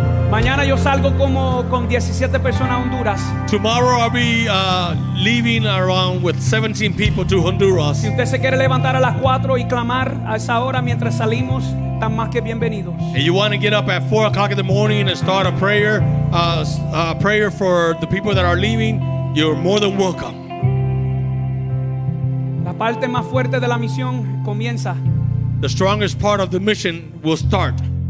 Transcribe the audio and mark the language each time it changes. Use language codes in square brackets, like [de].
[es] Mañana yo salgo como con 17 personas a Honduras. [en] Tomorrow I'll be leaving around with 17 people to Honduras. [es] Si usted se quiere levantar a las 4 y clamar a esa hora mientras salimos, están más que bienvenidos. [en] If you want to get up at 4 o'clock in the morning and start a prayer, prayer for the people that are leaving, you're more than welcome. [es] La parte más fuerte de la misión comienza. [en] The strongest part of the mission will start.